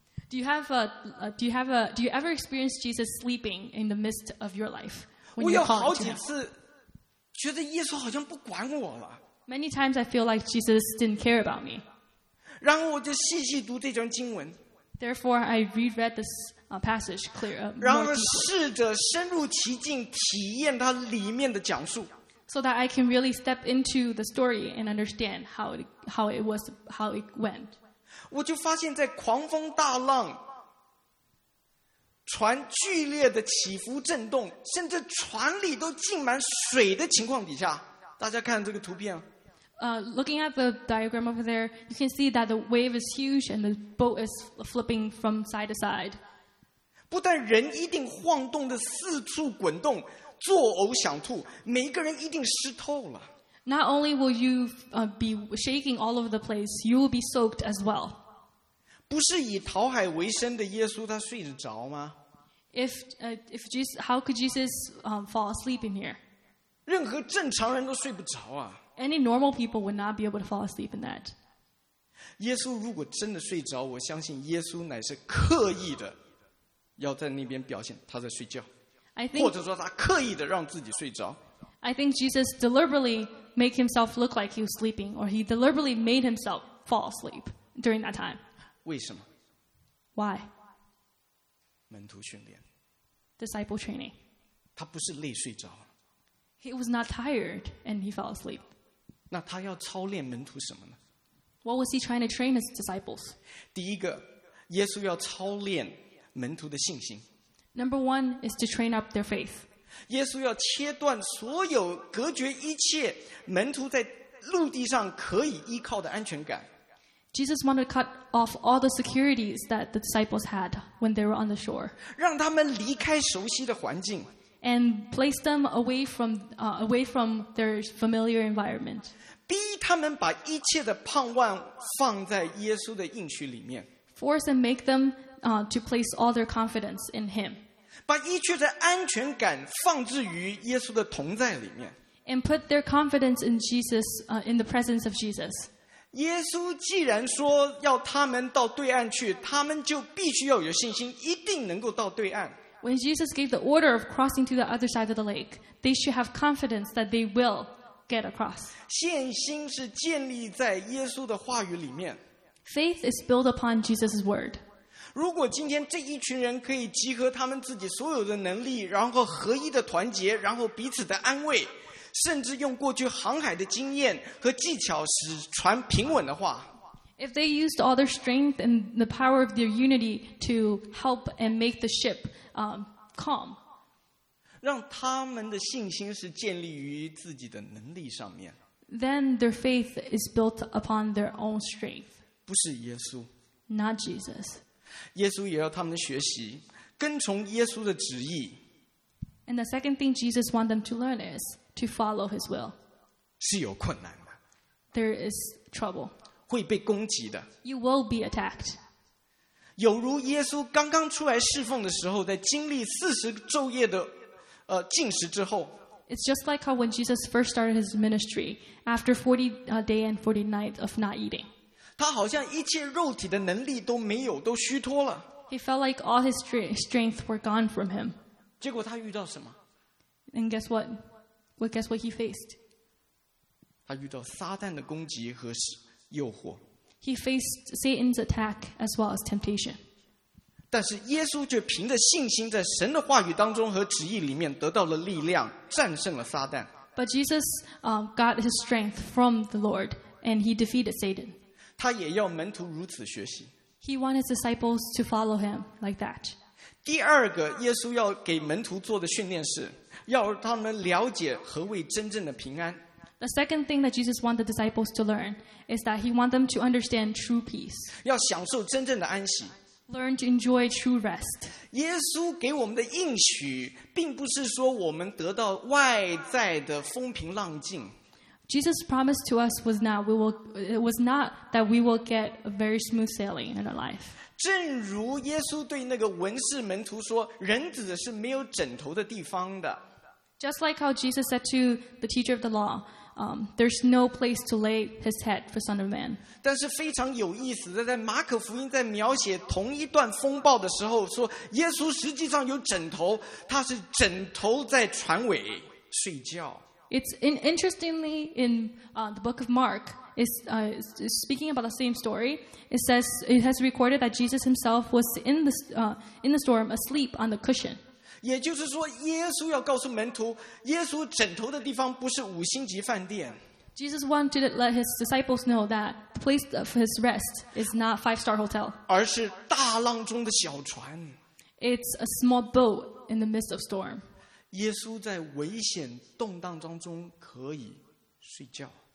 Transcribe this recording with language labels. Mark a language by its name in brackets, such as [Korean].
[English] Do you ever experience Jesus sleeping in the midst of your life? [Chinese] 我有好几次觉得耶稣好像不管我了。 [English] Many times I feel like Jesus didn't care about me. [Chinese] 然后我就细细读这段经文。 [English] Therefore, I reread this passage clearly. [Chinese] 然后试着深入其境体验它里面的讲述。 [English] So that I can really step into the story and understand how it went. [Chinese] 我就发现在狂风大浪、船剧烈的起伏震动，甚至船里都浸满水的情况底下，大家看这个图片。 [English] Looking at the diagram over there, you can see that the wave is huge and the boat is flipping from side to side. [Chinese] 不但人一定晃动的四处滚动，作呕想吐，每一个人一定湿透了。 [English] Not only will you be shaking all over the place, you will be soaked as well. [Chinese] 不是以讨海为生的耶稣，他睡得着吗？ [English] How could Jesus fall asleep in here? [Chinese] 任何正常人都睡不着啊。 [English] Any normal people would not be able to fall asleep in that. [Chinese] 耶稣如果真的睡着，我相信耶稣乃是刻意的要在那边表现他在睡觉。 [English] I think, [Chinese] 或者说他刻意的让自己睡着。 [English] I think Jesus deliberately made himself look like he was sleeping, or he deliberately made himself fall asleep during that time. [Chinese] 为什么？ [English] Why? [Chinese] 门徒训练。 [English] Disciple training. [Chinese] 他不是累睡着。 [English] He was not tired and he fell asleep. [Chinese] 那他要操练门徒什么呢？ [English] What was he trying to train his disciples? [Chinese] 第一个，耶稣要操练门徒的信心。 [English] Number one is to train up their faith. [Chinese] 耶稣要切断所有隔绝一切门徒在陆地上可以依靠的安全感。 [English] Jesus wanted to cut off all the securities that the disciples had when they were on the shore. [Chinese] 让他们离开熟悉的环境。 [English] And place them away from their familiar environment. [Chinese] 逼他们把一切的盼望放在耶稣的应许里面。 [English] Force and make them to place all their confidence in Him. [Chinese] 把一切的安全感放置于耶稣的同在里面。 [English] And put their confidence in Jesus, in the presence of Jesus. [Chinese] 耶稣既然说要他们到对岸去，他们就必须要有信心，一定能够到对岸。 [English] When Jesus gave the order of crossing to the other side of the lake, they should have confidence that they will get across. [Chinese] 信心是建立在耶稣的话语里面。 [English] Faith is built upon Jesus' word. [Chinese] 如果今天这一群人可以集合他们自己所有的能力，然后合一的团结，然后彼此的安慰，甚至用过去航海的经验和技巧使船平稳的话。 [English] If they used all their strength and the power of their unity to help and make the ship calm. [Chinese] 让他们的信心是建立于自己的能力上面。 [English] Then their faith is built upon their own strength. [Chinese] 不是耶稣。 [English] Not Jesus. [Chinese] 耶稣也要他们学习，跟从耶稣的旨意。 [English] And the second thing Jesus wants them to learn is to follow his will. [Chinese] 是有困难的。 [English] There is trouble. [Chinese] 会被攻击的。 [English] You will be attacked. [Chinese] 有如耶稣刚刚出来侍奉的时候，在经历四十昼夜的禁食之后。 [English] It's just like how when Jesus first started his ministry after 40 day and 40 night of not eating. [Chinese] 他好像一切肉体的能力都没有，都虚脱了。 [English] He felt like all his strength were gone from him. [Chinese] 结果他遇到什么？ [English] And guess what? Well, guess what he faced? [Chinese] 他遇到撒旦的攻击和诱惑。 [English] He faced Satan's attack as well as temptation. [Chinese] 但是耶稣却凭着信心在神的话语当中和旨意里面得到了力量，战胜了撒旦。 [English] But Jesus got his strength from the Lord, and he defeated Satan. [Chinese] 他也要门徒如此学习。 [English] He wanted his disciples to follow him like that. [Chinese] 第二个耶稣要给门徒做的训练是，要他们了解何谓真正的平安。 [English] The second thing that Jesus wants the disciples to learn is that he wants them to understand true peace. [Chinese] 要享受真正的安息。 [English] Learn to enjoy true rest. [Chinese] 耶稣给我们的应许并不是说我们得到外在的风平浪静。 [English] Jesus' promise to us was not, we will, it was not that we will get a very smooth sailing in our life. [Chinese] 正如耶稣对那个文士门徒说，人子是没有枕头的地方的。 [English] Just like how Jesus said to the teacher of the law, there's no place to lay his head for Son of Man. [Chinese] 但是非常有意思的，在马可福音在描写同一段风暴的时候，说耶稣实际上有枕头，他是枕头在船尾睡觉。 [English] It's interestingly in the book of Mark, is speaking about the same story. It has recorded that Jesus himself was in the storm asleep on the cushion. [Chinese] 也就是说，耶稣要告诉门徒，耶稣枕头的地方不是五星级饭店。 [English] Jesus wanted to let his disciples know that the place of his rest is not five-star hotel. [Chinese] 而是大浪中的小船。 [English] It's a small boat in the midst of storm. [Chinese] 耶稣在危险动荡当中可以睡觉。